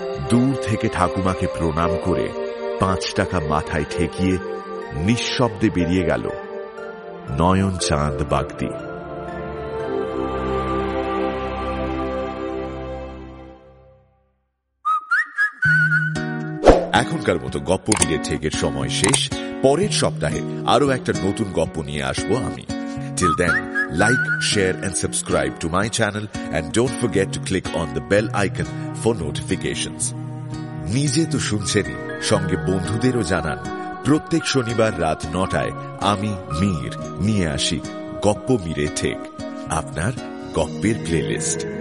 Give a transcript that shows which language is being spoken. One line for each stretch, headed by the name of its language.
Bangla: দূর থেকে ঠাকুমাকে প্রণাম করে পাঁচ টাকা মাথায় ঠেকিয়ে নিঃশব্দে বেরিয়ে গেল নয়ন চাঁদ বাগদি। এখনকার মতো গপ্প মিলে ঠেকের সময় শেষ, পরের সপ্তাহে আরও একটা নতুন গপ্প নিয়ে আসবো আমি।
English: Till then, like, share and subscribe to my channel and don't forget to click on the bell icon for notifications.
Bangla: নিজে তো শুনছেনই, সঙ্গে বন্ধুদেরও জানান, প্রত্যেক শনিবার রাত 9টায় আমি মীর নিয়ে আসি গপ্প মীরে ঠেক, আপনার গপ্পের প্লেলিস্ট।